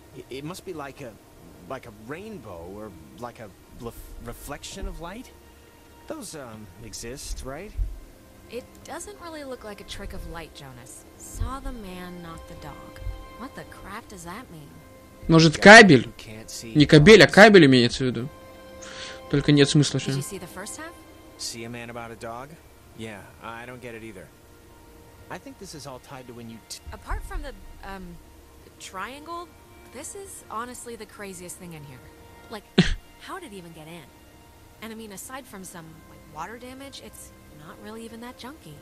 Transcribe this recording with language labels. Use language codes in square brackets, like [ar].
[en] It must be like a rainbow or like a reflection of light. Those exist, right? It doesn't really look like a trick of light, Jonas. Saw the man, not the dog. What the crap does that mean? [ru] Может, кабель? Не кабель, а кабель имеется в виду. Только нет смысла, что. [en] See a man about a dog? Yeah, I don't get it either. I think this is all tied to when you... Apart from the, triangle, this is honestly the craziest thing in here. Like, how did it even get in? And I mean, aside from some, like, water damage, it's not really even that junky.